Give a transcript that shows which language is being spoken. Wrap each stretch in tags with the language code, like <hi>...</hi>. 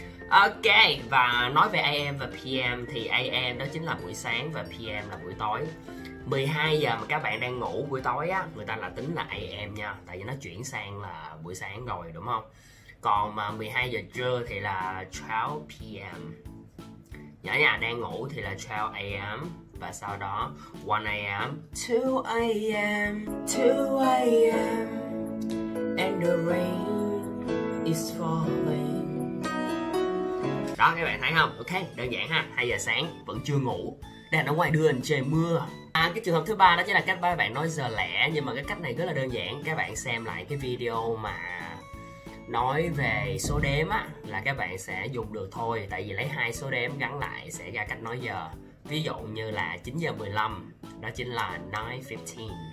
<vi>Ok, và nói về AM và PM thì AM đó chính là buổi sáng và PM là buổi tối. 12 giờ mà các bạn đang ngủ buổi tối á, người ta là tính là AM nha, tại vì nó chuyển sang là buổi sáng rồi, đúng không? Còn mà 12 giờ trưa thì là 12 PM. Nhớ nha, đang ngủ thì là 12 AM. Và sau đó</vi> <en>1 AM, 2 AM, 2 AM, and the rain is falling.</en> <vi>Đó, các bạn thấy không? Ok, đơn giản ha. 2 giờ sáng, vẫn chưa ngủ, đang ở ngoài đường, trời mưa. Cái trường hợp thứ ba đó chính là cách ba bạn nói giờ lẻ. Nhưng mà cái cách này rất là đơn giản. Các bạn xem lại cái video mà nói về số đếm á, là các bạn sẽ dùng được thôi. Tại vì lấy hai số đếm gắn lại sẽ ra cách nói giờ. Ví dụ như là 9:15, đó chính là 9:15.</vi>